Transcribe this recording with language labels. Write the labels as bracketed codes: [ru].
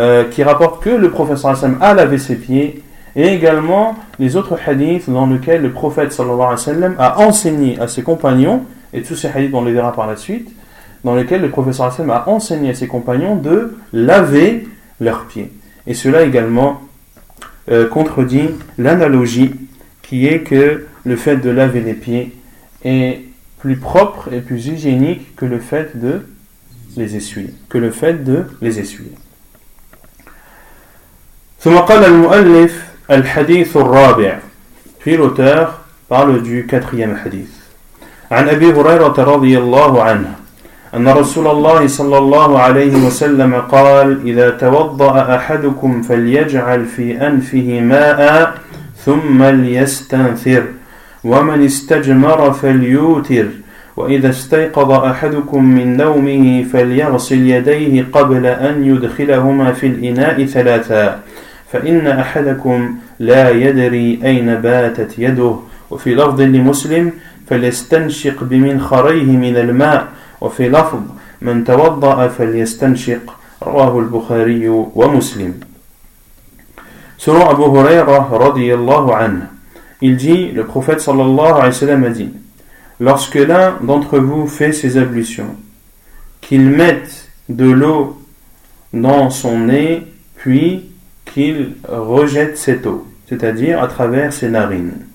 [fr] qui rapportent que le prophète sallallahu alayhi wa sallam a lavé ses pieds, et également les autres hadiths dans lesquels le prophète sallallahu alayhi wa sallam a enseigné à ses compagnons, et tous ces hadiths on les verra par la suite, dans lesquels le prophète sallallahu alayhi wa sallam a enseigné à ses compagnons de laver leurs pieds. Et cela également contredit l'analogie qui est que le fait de laver les pieds est plus propre et plus hygiénique que le fait de les essuyer. Que le fait de les essuyer. [ar] ثم قال المؤلف الحديث الرابع في الأوتر قال دو كاتريام حديث عن أبي هريرة رضي الله عنه أن رسول الله صلى الله عليه وسلم قال إذا توضأ أحدكم فليجعل في أنفه ماء ثم ليستنثر ومن استجمر فليوتر وإذا استيقظ أحدكم من نومه فليغسل يديه قبل أن يدخلهما في الإناء ثلاثا فإن أحدكم لا يدري أين باتت يده وفي لفظ لمسلم فليستنشق بمنخريه من الماء وفي لفظ من توضأ فليستنشق رواه البخاري ومسلم. [fr] Selon Abu Huraira رضي الله عنه, il dit, le prophète صلى الله عليه وسلم a dit, lorsque l'un d'entre vous fait ses ablutions, qu'il mette de l'eau dans son nez, puis qu'il rejette cette eau, c'est-à-dire à travers ses narines.